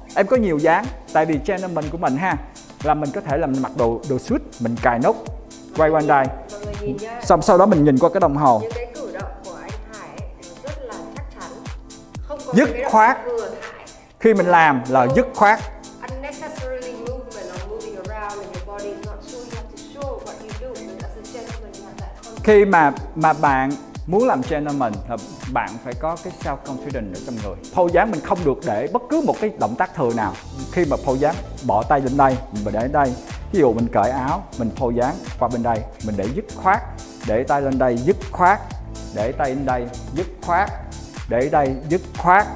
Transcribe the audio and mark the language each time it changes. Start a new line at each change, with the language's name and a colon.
Vietnamese: Em có nhiều dáng, tại vì channel mình của mình ha, là mình có thể làm mặc đồ suit, mình cài nút quay quanh đây. Xong sau đó mình nhìn qua cái đồng hồ. Những cái cử động của anh Hải rất là chắc chắn. Không có dứt khoát. Khi mình làm là dứt khoát.
English: Unnecessarily movement or moving around in your body is not sure, you have to show what you do. But as a gentleman, you have that.
Vietnamese: Khi mà bạn muốn làm gentleman thì bạn phải có cái self confidence ở trong người. Phô dáng mình không được để bất cứ một cái động tác thừa nào. Khi mà phô dáng bỏ tay lên đây và để đây, ví dụ mình cởi áo, mình phô dáng qua bên đây, mình để dứt khoát, để tay lên đây dứt khoát, để tay lên đây dứt khoát, để đây dứt khoát.